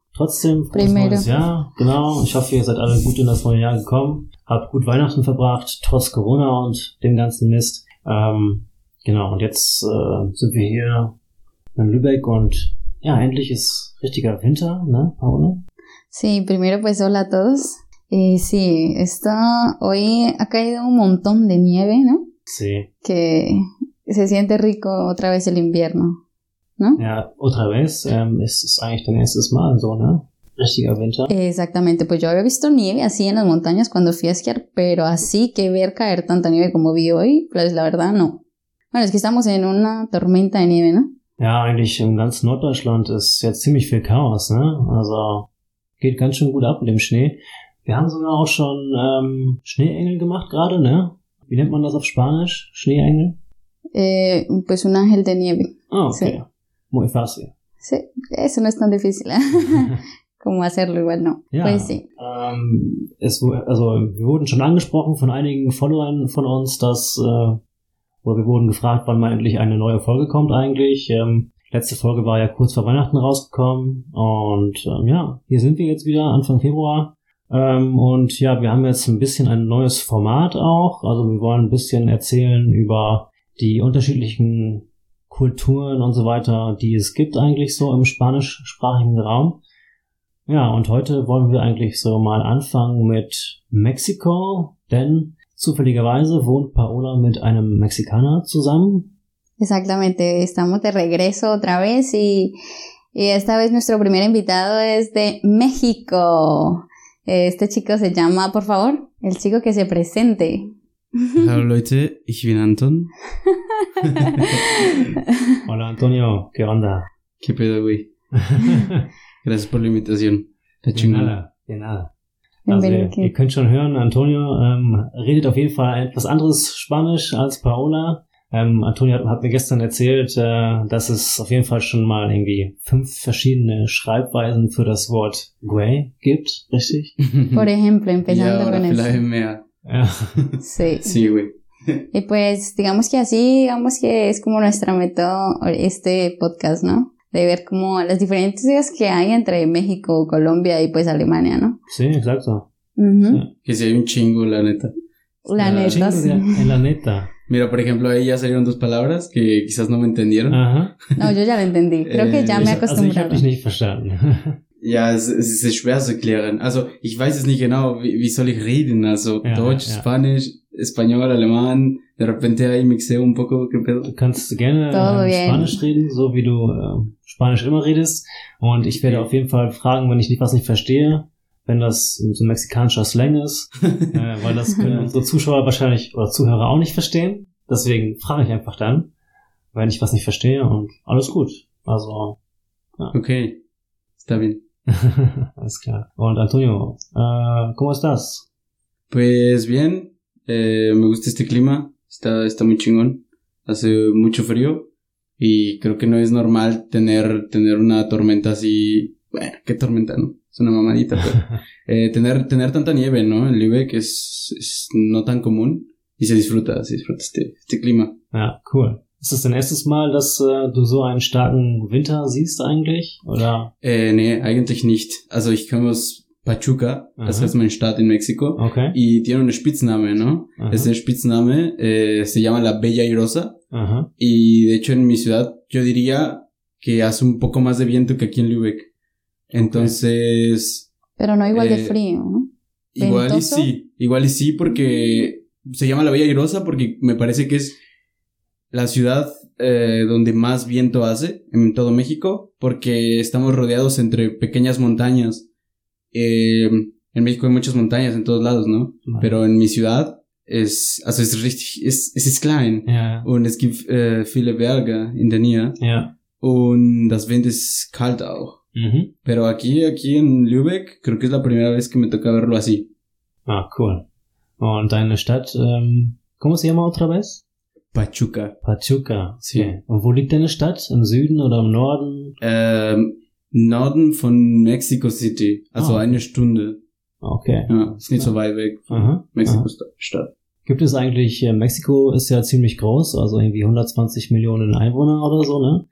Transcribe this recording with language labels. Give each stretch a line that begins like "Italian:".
German: Trotzdem, frohes neues Jahr. Genau, ich hoffe, ihr seid alle gut in das neue Jahr gekommen. Hab gut Weihnachten verbracht, trotz Corona und dem ganzen Mist. Und jetzt sind wir hier in Lübeck und ja, endlich ist richtiger Winter, ne, Paula?
Spanish: Sí, primero pues hola a todos. Sí, está hoy ha caído un montón de nieve, ¿no? Sí. Que se siente rico otra vez el invierno, ¿no?
German: Ja,
Spanish: otra vez,
German: es eigentlich dein erstes Mal so, ne? Richtiger Winter.
Spanish: Exactamente, pues yo había visto nieve así en las montañas cuando fui a esquiar, pero así que ver caer tanta nieve como vi hoy, pues la verdad no. Bueno, es que estamos en una tormenta de nieve, ¿no?
German: Ja, eigentlich im ganzen Norddeutschland ist ja ziemlich viel Chaos, ne? Also geht ganz schön gut ab mit dem Schnee. Wir haben sogar auch schon Schneeengel gemacht gerade, ne? Wie nennt man das auf Spanisch? Schneeengel?
Spanish: Pues un ángel de nieve. Ah, okay. Sí. Muy fácil. Sí, eso no es tan difícil, como hacerlo igual, no.
German: Ja,
Spanish: pues sí.
German: Wir wurden schon angesprochen von einigen Followern von uns, dass wir wurden gefragt, wann mal endlich eine neue Folge kommt eigentlich. Letzte Folge war ja kurz vor Weihnachten rausgekommen. Und hier sind wir jetzt wieder Anfang Februar. Wir haben jetzt ein bisschen ein neues Format auch. Also wir wollen ein bisschen erzählen über die unterschiedlichen Kulturen und so weiter, die es gibt eigentlich so im spanischsprachigen Raum. Ja, und heute wollen wir eigentlich so mal anfangen mit Mexiko, denn zufälligerweise wohnt Paola mit einem Mexikaner zusammen.
Spanish: Exactamente, estamos de regreso otra vez y esta vez nuestro primer invitado es de México. Este chico se llama, por favor, el chico que se presente.
German: Hallo Leute, ich bin Anton.
Spanish: Hola Antonio, ¿qué onda? ¿Qué pedo, güey? Gracias por la invitación. De nada, de nada.
German: Also, ihr könnt schon hören, Antonio redet auf jeden Fall etwas anderes Spanisch als Paola. Antonio hat mir gestern erzählt, dass es auf jeden Fall schon mal irgendwie 5 verschiedene Schreibweisen für das Wort güey gibt, richtig?
Spanish: Por ejemplo, empezando con eso.
German: Ja, oder vielleicht mehr.
Spanish: Sí. Sí, güey. Y pues, digamos que es como nuestra meta este podcast, ¿no? De ver como las diferencias que hay entre México, Colombia y pues Alemania, ¿no? Sí, exacto. Uh-huh. Sí. Que si hay un chingo, la neta. La neta, chingo, sí. En la neta. Mira, por ejemplo, ahí ya salieron 2 palabras que quizás no me entendieron. Ajá. No, yo ya la entendí. Creo que ya me he acostumbrado.
German: Also, ich hab dich nicht verstanden. Ja, es ist schwer zu klären. Also, ich weiß es nicht genau, wie soll ich reden? Also, ja, Deutsch, ja.
Spanish: Spanisch, Español, Alemán, de repente ahí mixé un poco.
German: Du kannst gerne Spanisch reden, so wie du Spanisch immer redest. Und ich werde auf jeden Fall fragen, wenn ich was nicht verstehe, wenn das so ein mexikanischer Slang ist. weil das können unsere Zuschauer wahrscheinlich oder Zuhörer auch nicht verstehen. Deswegen frage ich einfach dann, wenn ich was nicht verstehe und alles gut. Also, ja. Okay. Bien. Alles klar. Und Antonio,
Spanish: ¿cómo estás? Pues bien, me gusta este clima, está muy chingón, hace mucho frío y creo que no es normal tener una tormenta así, bueno, ¿qué tormenta, no? Es una mamadita, pero tener tanta nieve, ¿no? En Lübeck es no tan común y se disfruta este clima.
German: Ja, cool. Ist das dein erstes Mal, dass du so einen starken Winter siehst eigentlich, oder? Nee, eigentlich nicht. Also ich komme aus Pachuca, das heißt mein Staat in Mexiko. Okay. Und die haben einen Spitznamen, ne? Aha. Es ist ein Spitzname,
Spanish: se llama La Bella y Rosa. Aha. Y de hecho en mi ciudad, yo diría que hace un poco más de viento que aquí en Lübeck. Entonces... Okay. Pero no igual de frío, ¿no? Igual y sí. Igual y sí porque se llama La Bella y Rosa porque me parece que es... La ciudad donde más viento hace en todo México, porque estamos rodeados entre pequeñas montañas. En México hay muchas montañas en todos lados, ¿no? Vale. Pero en mi ciudad es klein.
English: Yeah.
German: Und es gibt viele Berge in der Nähe.
English: Yeah.
German: Und das Wind ist kalt auch. Uh-huh.
Spanish: Pero aquí en Lübeck, creo que es la primera vez que me toca verlo así.
German: Ah, cool. Und deine Stadt,
Spanish: ¿cómo se llama otra vez? Pachuca. Pachuca, sí.
German: Und wo liegt deine Stadt? Im Süden oder im Norden? Norden von Mexico City, also eine Stunde. Okay. Ja, ist nicht so weit weg von Mexiko-Stadt. Gibt es eigentlich, Mexiko ist ja ziemlich groß, also irgendwie 120 Millionen Einwohner oder so, ne?